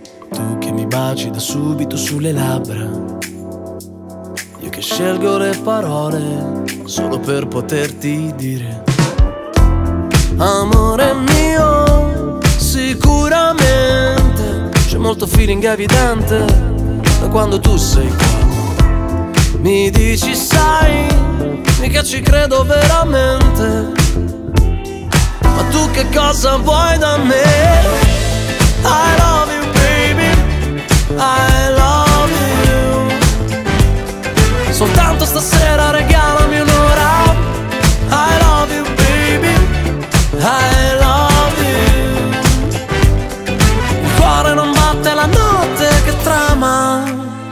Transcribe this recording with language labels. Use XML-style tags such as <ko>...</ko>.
<it>Tu che mi baci da subito sulle labbra, io che scelgo le parole solo per poterti dire: amore mio, sicuramente c'è molto feeling evidente da quando tu sei qua. Mi dici sai, mica ci credo veramente, ma tu che cosa vuoi da me?</it> <en>I love you baby, I love you.</en> <it>Soltanto stasera regalami un'ora.</it> <en>I love you baby, I love you.</en> <it>Il cuore non batte la notte che trama.</it>